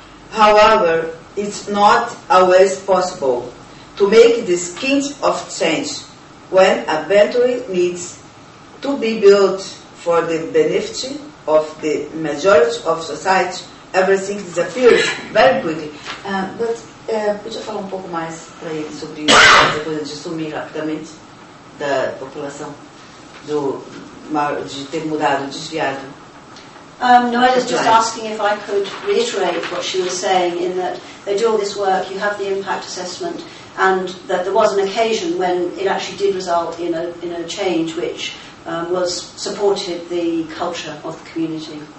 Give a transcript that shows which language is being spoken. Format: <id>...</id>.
<en>However, it's not always possible to make this kind of change when a boundary needs to be built for the benefit of the majority of society. Everything disappears very quickly.</en> <pt>Podia falar um pouco mais para ele sobre essa coisa de sumir rapidamente da população, de ter mudado, desviado?</pt> <en>Noella's just asking if I could reiterate what she was saying, in that they do all this work, you have the impact assessment, and that there was an occasion when it actually did result in a change which was supported the culture of the community.</en>